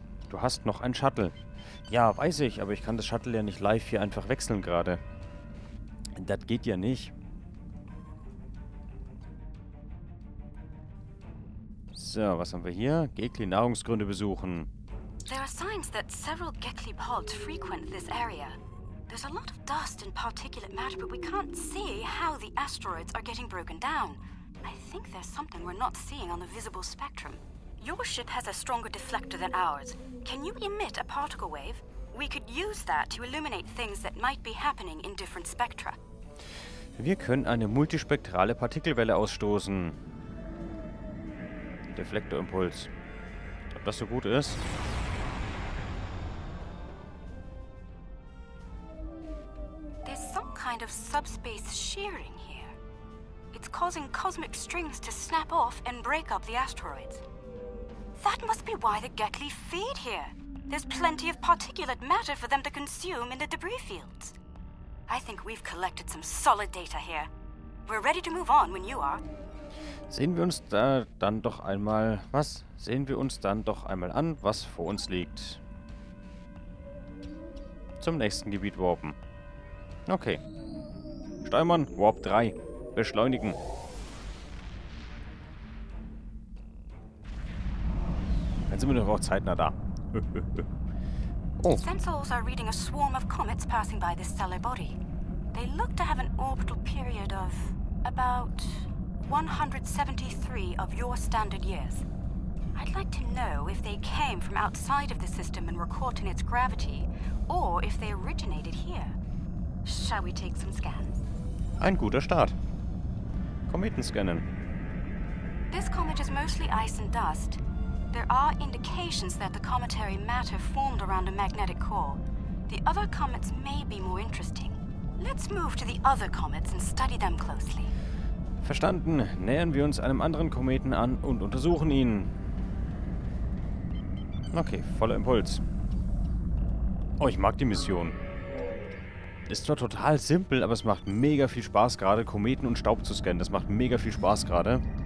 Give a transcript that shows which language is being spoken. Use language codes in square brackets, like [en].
[de] Du hast noch ein Shuttle. Ja, weiß ich, aber ich kann das Shuttle ja nicht live hier einfach wechseln gerade. Das geht ja nicht. So, was haben wir hier? Gekli Nahrungsgründe besuchen. [en] There are signs that several Gekli pods frequent this area. There's a lot of dust and particulate matter, but we can't see how the asteroids are getting broken down. I think there's something we're not seeing on the visible spectrum. Your ship has a stronger deflector than ours. Can you emit a particle wave? We could use that to illuminate things that might be happening in different spectra. [de] Wir können eine multispektrale Partikelwelle ausstoßen. Deflektorimpuls. Ob das so gut ist? [en] There's some kind of subspace shearing here. It's causing cosmic strings to snap off and break up the asteroids. That must be why the Gekli feed here. There's plenty of particulate matter for them to consume in the debris fields. I think we've collected some solid data here. We're ready to move on when you are. [de] Sehen wir uns da dann doch einmal... Was? Sehen wir uns dann doch einmal an, was vor uns liegt. Zum nächsten Gebiet warpen. Okay. Steuermann, Warp 3. Beschleunigen. Dann sind wir doch auch zeitnah da. Oh. [en] Sensors are reading a swarm of comets passing by this stellar body. They look to have an orbital period of about 173 of your standard years. I'd like to know if they came from outside of the system and were caught in its gravity, or if they originated here. Shall we take some scans? [de] Ein guter Start. Kometen scannen. [en] This comet is mostly ice and dust. There are indications that the cometary matter formed around a magnetic core. The other comets may be more interesting. Let's move to the other comets and study them closely. [de] Verstanden. Nähern wir uns einem anderen Kometen an und untersuchen ihn. Okay, voller Impuls. Oh, ich mag die Mission. Ist zwar total simpel, aber es macht mega viel Spaß gerade, Kometen und Staub zu scannen. Das macht mega viel Spaß gerade.